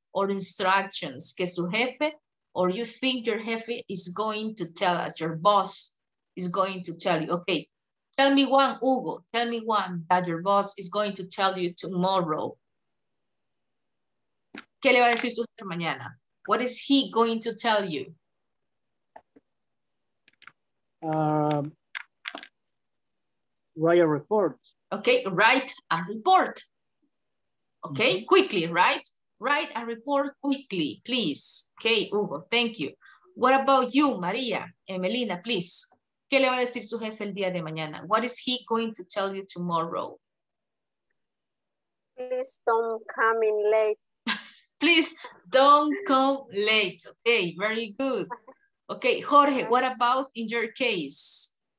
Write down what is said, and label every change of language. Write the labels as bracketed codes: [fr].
[en] Or instructions [es] que su jefe, [en] or you think your jefe is going to tell us, your boss is going to tell you. Okay, tell me one, Hugo, tell me one that your boss is going to tell you tomorrow. [es] ¿Qué le va a decir su jefe mañana? [en] What is he going to tell you? Write a report. Okay, write a report. Okay, mm-hmm. Quickly, right? Write a report quickly, please. Okay, Hugo, thank you. What about you, Maria? Emelina, please. [es] ¿Qué le va a decir su jefe el día de mañana? [en] What is he going to tell you tomorrow? Please don't come in late. Please don't come late. Okay, very good. Okay, Jorge, what about in your case?